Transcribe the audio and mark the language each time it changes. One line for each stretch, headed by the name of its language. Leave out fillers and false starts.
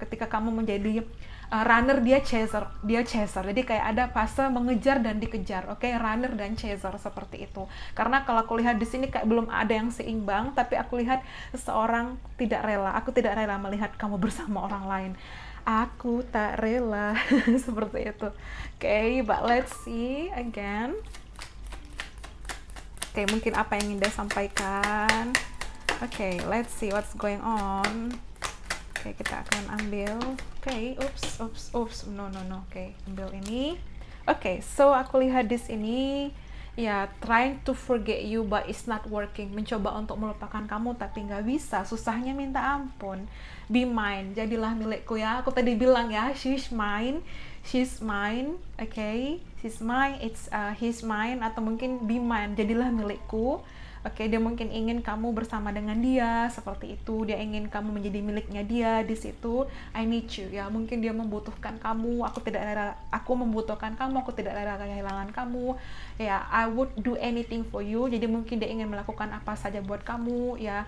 Indonesian: Ketika kamu menjadi runner, dia chaser. Jadi kayak ada fase mengejar dan dikejar. Oke, okay? Runner dan chaser seperti itu. Karena kalau aku lihat di sini kayak belum ada yang seimbang, tapi aku lihat seseorang tidak rela. Aku tidak rela melihat kamu bersama orang lain. Aku tak rela seperti itu.
English: Oke, okay, but let's see again.
Indonesian: Oke, okay, mungkin apa yang ingin dia sampaikan.
English: Oke, okay, let's see what's going on.
Indonesian: Oke, okay, kita akan ambil. Oke, okay, oops, oops, oops. No, no, no. Oke, okay, ambil ini. Oke, okay, so aku lihat di sini.
English: Ya, trying to forget you but it's not working.
Indonesian: Mencoba untuk melupakan kamu tapi nggak bisa. Susahnya minta ampun.
English: Be mine,
Indonesian: jadilah milikku ya. Aku tadi bilang ya,
English: she's mine. She's mine, okay? She's mine, it's his mine,
Indonesian: atau mungkin
English: be mine,
Indonesian: jadilah milikku. Oke, okay, dia mungkin ingin kamu bersama dengan dia, seperti itu. Dia ingin kamu menjadi miliknya dia di situ.
English: I need you,
Indonesian: ya. Mungkin dia membutuhkan kamu. Aku tidak rela, aku membutuhkan kamu. Aku tidak rela kehilangan kamu.
English: Ya, yeah, I would do anything for you.
Indonesian: Jadi mungkin dia ingin melakukan apa saja buat kamu, ya.